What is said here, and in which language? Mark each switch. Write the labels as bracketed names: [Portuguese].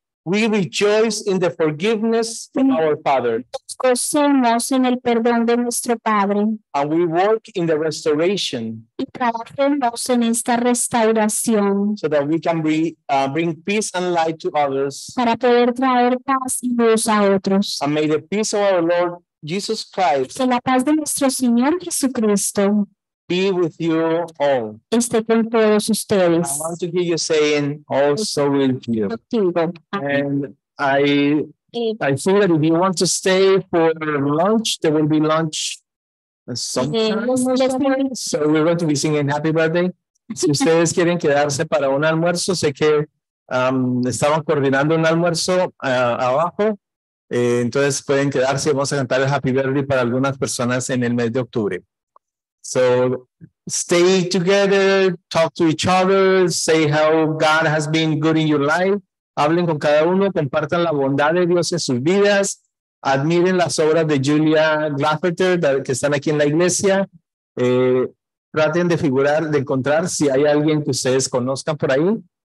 [English] We rejoice in the forgiveness of our Father. [Spanish] Gocemos en el perdón de nuestro Padre. [English] And we work in the restoration. [Spanish] Y trabajemos en esta restauración. [English] So that we can bring peace and light to others. [Spanish] Para poder traer paz y luz a otros. [English] And may the peace of our Lord Jesus Christ. [Spanish] Que la paz de nuestro Señor Jesucristo. [English] Be with you all. [Spanish] Esté con todos ustedes. [English] I want to hear you saying, also with you. And I think that if you want to stay for lunch, there will be lunch sometime. So we're going to be singing Happy Birthday. [Spanish] Si ustedes quieren quedarse para un almuerzo, sé que estaban coordinando un almuerzo abajo. Entonces pueden quedarse y vamos a cantar el Happy Birthday para algunas personas en el mes de octubre. [English] So stay together, talk to each other, say how God has been good in your life. [Spanish] Hablen con cada uno, compartan la bondad de Dios en sus vidas. Admiren las obras de Julia Glafferter que están aquí en la iglesia. Traten de figurar, de encontrar si hay alguien que ustedes conozcan por ahí.